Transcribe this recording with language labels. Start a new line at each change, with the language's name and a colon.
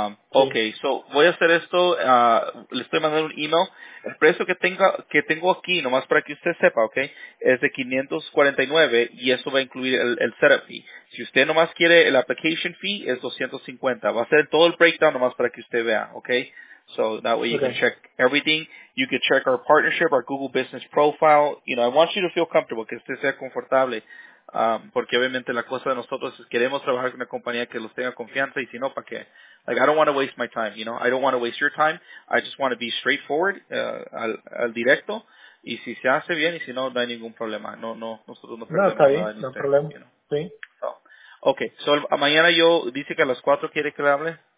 Spanish: Okay, so voy a hacer esto, le estoy mandando un email. El precio que tengo aquí, nomás para que usted sepa, okay, es de $549 y eso va a incluir el setup fee. Si usted nomás quiere el application fee, es $250. Va a ser todo el breakdown nomás para que usted vea, okay?
English: So that way you can check everything. You can check our partnership, our Google Business Profile. You know, I want you to feel comfortable,
Spanish: que usted sea confortable. Porque obviamente la cosa de nosotros es queremos trabajar con una compañía que los tenga confianza y si no, ¿para qué?
English: Like, I don't want to waste my time, you know. I don't want to waste your time. I just want to be straightforward,
Spanish: al directo. Y si se hace bien y si no, no hay ningún problema. Nosotros no perdemos nada. No, está bien, no hay problema. You know? Sí. So, okay, so mañana yo, dice que a las 4 quiere que le hable.